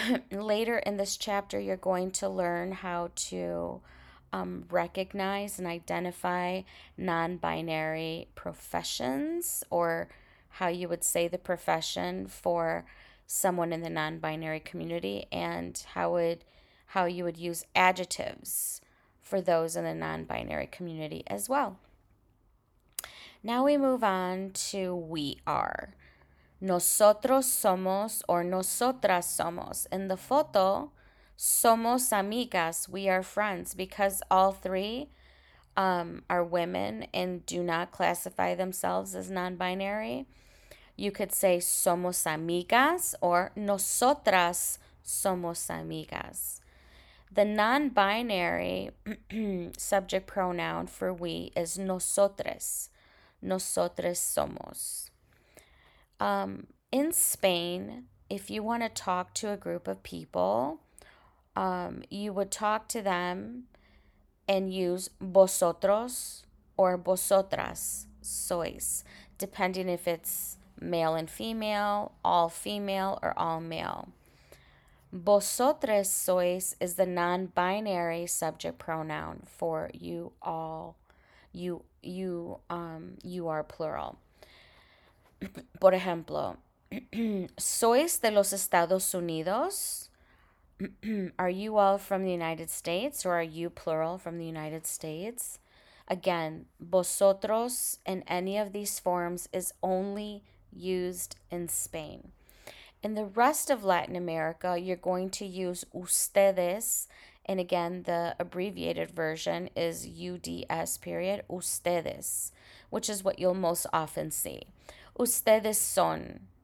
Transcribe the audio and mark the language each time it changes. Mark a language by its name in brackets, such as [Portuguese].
[English] Later in this chapter, you're going to learn how to recognize and identify non-binary professions, or how you would say the profession for someone in the non-binary community, and how you would use adjectives for those in the non-binary community as well. Now we move on to we are. [Spanish] Nosotros somos or nosotras somos. [English] In the photo, [Spanish] somos amigas, [English] we are friends, because all three are women and do not classify themselves as non-binary. You could say [Spanish] somos amigas [English] or [Spanish] nosotras somos amigas. [English] The non-binary subject pronoun for we is nosotres. [Spanish] Nosotres somos. [English] In Spain, if you want to talk to a group of people, you would talk to them and use vosotros or [Spanish] vosotras sois, [English] depending if it's male and female, or all male. [Spanish] Vosotres sois [English] is the non-binary subject pronoun for you all. You are plural. [Spanish] Por ejemplo, sois de los Estados Unidos? [English] Are you all from the United States, or are you plural from the United States? Again, vosotros in any of these forms is only used in Spain. In the rest of Latin America, you're going to use ustedes, and again, the abbreviated version is UDS period, ustedes, which is what you'll most often see. [Spanish] Ustedes son.